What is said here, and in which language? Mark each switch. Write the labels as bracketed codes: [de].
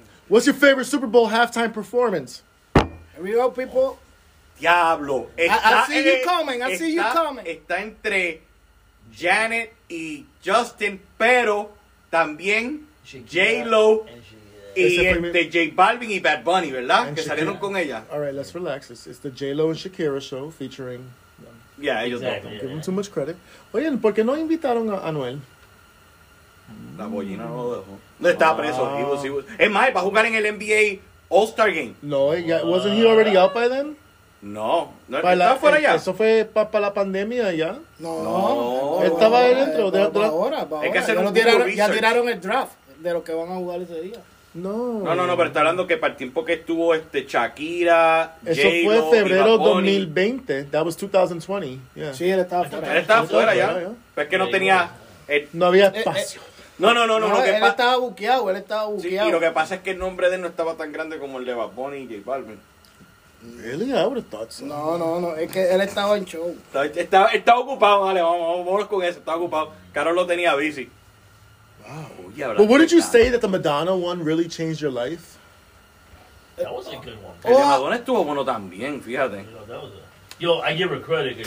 [en] What's your favorite Super Bowl halftime performance? Here we go, people. [es] Diablo. [en] I see you coming. [es] Está entre Janet y Justin, pero también J-Lo. Y J Balvin y Bad Bunny, ¿verdad? Que salieron con ella. [en] All right, let's relax. It's the J-Lo and Shakira show featuring them. [es] Yeah, ellos dos. [en] Give them too much credit. [es] Oye, ¿por qué no invitaron a Anuel? La pollina no lo dejó. No estaba preso. [en] He was. [es] Es más, va a jugar en el NBA All-Star Game. [en] No, yeah, wasn't he already out by then? [es] No, no estaba la, fuera ya. Eso fue para pa la pandemia ya. No. Estaba él dentro. Ahora, para ahora. Es que ya tiraron el draft de los que van a jugar ese día. No, pero está hablando que para el tiempo que estuvo Shakira, eso J-Lo, fue febrero 2020. [en] That was 2020. Yeah. [es] Sí, él estaba fuera. Él estaba fuera ya. Pero es que no tenía... No había espacio. No, él estaba buqueado, Sí, y lo que pasa es que el nombre de él no estaba tan grande como el de Bad Bunny y J Balvin. [en] Really? I would have thought so. [es] No, es que él estaba en show. Estaba ocupado, vale, vamos con eso, estaba ocupado. Carol lo tenía busy. [en] Wow. But wouldn't you say that the Madonna one really changed your life? That was a good one. [es] El de Madonna estuvo bueno también, fíjate. [en] Yo, that was a, yo, I give her credit.